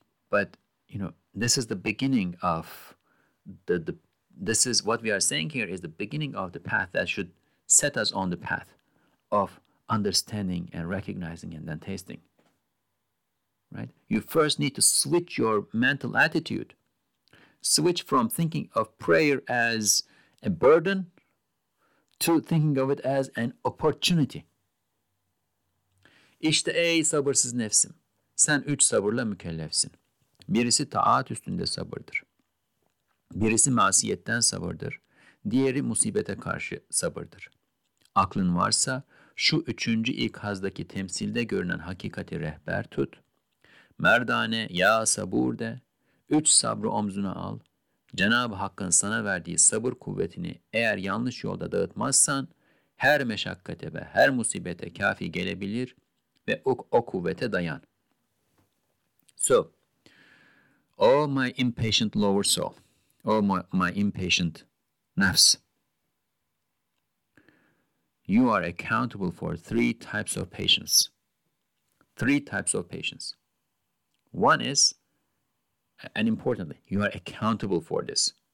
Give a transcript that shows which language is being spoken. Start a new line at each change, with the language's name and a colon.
English: But, you know, this is the beginning of the this is what we are saying here is the beginning of the path that should set us on the path of understanding and recognizing and then tasting, right? You first need to switch your mental attitude. Switch from thinking of prayer as a burden to thinking of it as an opportunity.
Turkish: İşte ey sabırsız nefsim, sen üç sabırla mükellefsin. Birisi taat üstünde sabırdır. Birisi masiyetten sabırdır. Diğeri musibete karşı sabırdır. Aklın varsa şu üçüncü ikazdaki temsilde görünen hakikati rehber tut. Merdane ya sabur de. Üç sabrı omzuna al. Cenab-ı Hakk'ın sana verdiği sabır kuvvetini eğer yanlış yolda dağıtmazsan, her meşakkate ve her musibete kafi gelebilir ve o kuvvete dayan.
English: So, oh my impatient lower soul, oh my impatient nafs, you are accountable for three types of patience. Three types of patience. One is, and importantly, you are accountable for this.